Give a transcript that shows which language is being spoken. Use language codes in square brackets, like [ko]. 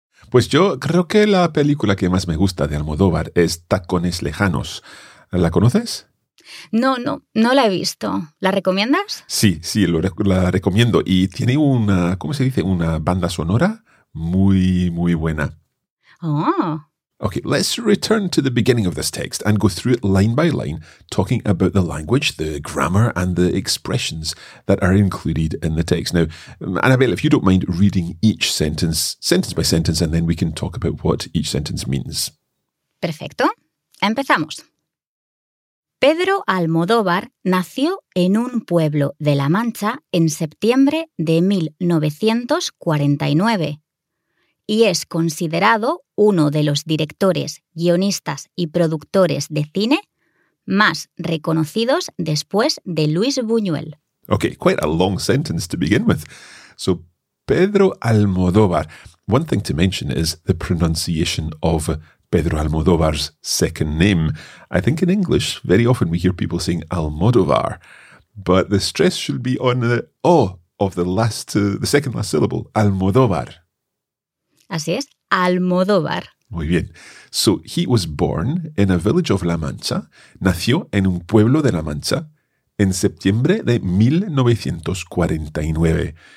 [es] Pues yo creo que la película que más me gusta de Almodóvar es Tacones lejanos. ¿La conoces? No, no, no la he visto. ¿La recomiendas? Sí, sí, la recomiendo. Y tiene una, ¿cómo se dice? Una banda sonora muy, muy buena. Oh. [en] Okay, let's return to the beginning of this text and go through it line by line, talking about the language, the grammar, and the expressions that are included in the text. Now, Annabelle, if you don't mind reading each sentence, sentence by sentence, and then we can talk about what each sentence means. [es] Perfecto. Empezamos. Pedro Almodóvar nació en un pueblo de La Mancha en septiembre de 1949. Y es considerado uno de los directores, guionistas y productores de cine más reconocidos después de Luis Buñuel. [en] Okay, quite a long sentence to begin with. So, Pedro Almodóvar. One thing to mention is the pronunciation of Pedro Almodóvar's second name. I think in English, very often we hear people saying Almodóvar, but the stress should be on the O of the second last syllable, Almodóvar. [es] Así es, Almodóvar. Muy bien. [en] So, he was born in a village of La Mancha, [es] nació en un pueblo de La Mancha, en septiembre de 1949.